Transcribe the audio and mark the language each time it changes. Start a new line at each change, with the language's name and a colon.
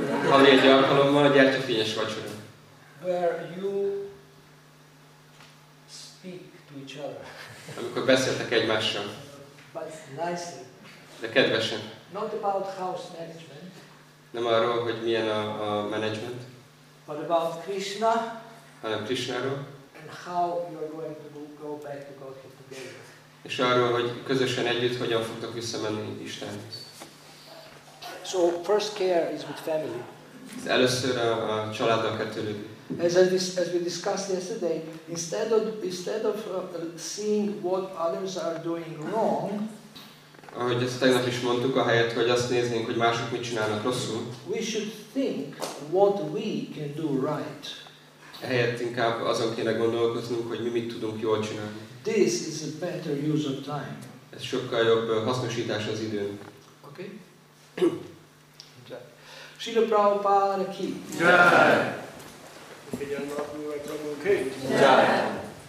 Hungarian: Ami egy alkalommal, gyertyafényes vacsora.
English: Where you speak to each other.
Hungarian: Amikor beszéltek egymással.
English: But nicely.
Hungarian: De kedvesen.
English: Not about house management.
Hungarian: Nem arról, hogy milyen a menedzsment.
English: But about Krishna.
Hungarian: Hanem Krishnáról.
English: And how you are going to go back to Godhead together.
Hungarian: És arról, hogy közösen együtt hogyan fogtok visszamenni Istenhez.
English: So first care is with family.
Hungarian: Először a családdal kettődik.
English: As we discussed yesterday, instead of seeing what others are doing wrong,
Hungarian: ahogy ezt tegnap is mondtuk, ahelyett, hogy azt néznénk, hogy mások mit csinálnak rosszul,
English: we should think what we can do right.
Hungarian: Ehelyett inkább azon kéne gondolkoznunk, hogy mi mit tudunk jól csinálni.
English: This is a better use of time.
Hungarian: Ez sokkal jobb hasznosítás az időn.
English: Okay.
Hungarian: Srila Prabhupada ki. Jaj! Figyelj, maradjunk meg, Prabhu ki. Jaj!